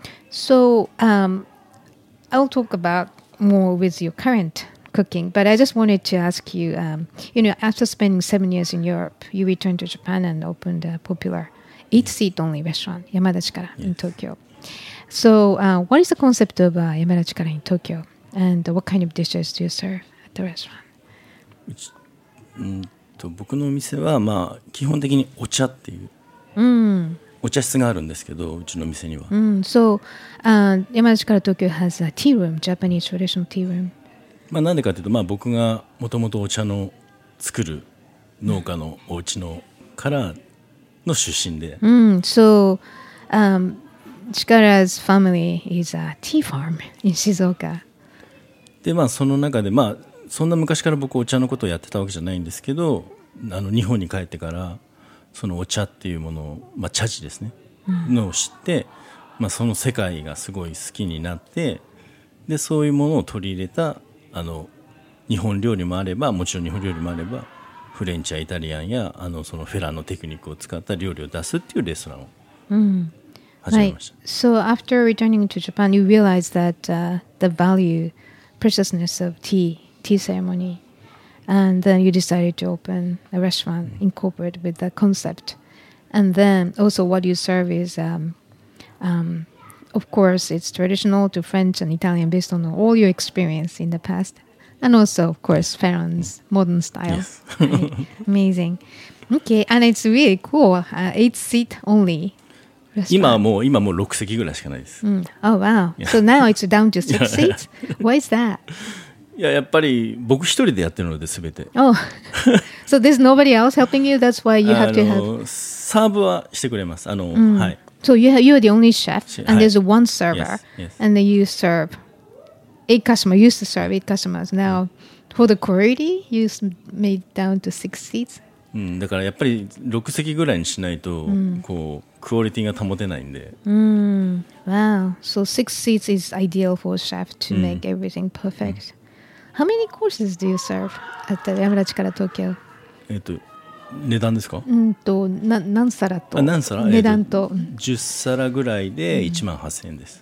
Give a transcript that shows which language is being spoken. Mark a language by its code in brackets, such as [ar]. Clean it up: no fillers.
[en] So, I'll talk about more with your current cooking, but I just wanted to ask you, you know, after spending 7 years in Europe, you returned to Japan and opened a popular 8-seat only restaurant, Yamadachikara, in Tokyo. So, what is the concept of Yamadachikara in Tokyo? And what kind of dishes do you serve at the restaurant? [ja] 僕のお店は、まあ、基本的にお茶っていう、お茶室があるんですけど、うちの店には。 [en] So, Yamadachikara Tokyo has a tea room, Japanese traditional tea room. [ja] まあ、なんでかというと、まあ、僕がもともとお茶の作る農家のお家のからの出身で。 [en] Chikara's family is a tea farm in Shizuoka. [ja] で、まあその中で、まあそんな昔から僕お茶のことをやってたわけじゃないんですけど、あの日本に帰ってからそのお茶っていうものを、まあ茶事ですね、のを知って、まあその世界がすごい好きになって、でそういうものを取り入れた、あの日本料理もあれば、もちろん日本料理もあれば、フレンチやイタリアンや、あのそのフェラのテクニックを使った料理を出すっていうレストランを。 [en] Right. So after returning to Japan, you realized that the value, preciousness of tea ceremony, and then you decided to open a restaurant incorporated with that concept. And then also what you serve is, of course, it's traditional to French and Italian based on all your experience in the past. And also, of course, Ferran's modern style. Yes. Right. Amazing. Okay. And it's really cool. 8-seat only. [ja] 今はもう6席ぐらいしかないです。 [en] Oh, wow. So now it's down to 6 seats? Why is that? [ja] いや、やっぱり僕一人でやってるので全て。 [en] Oh. So there's nobody else helping you? That's why you have to have... [ja] サーブはしてくれます。はい。 [en] So you are the only chef, and there's one server, and then you serve 8 customers. You used to serve 8 customers. Now, for the quality, you made down to 6 seats? [ja] だからやっぱり6席ぐらいにしないと、こうクオリティが保てないんで。 [en] Wow. So 6 seats is ideal for a chef to make everything perfect. How many courses do you serve at the Yamadachikara Tokyo? [ja] 値段ですか？何皿と？何皿？値段と。 10皿ぐらいで18,000円です。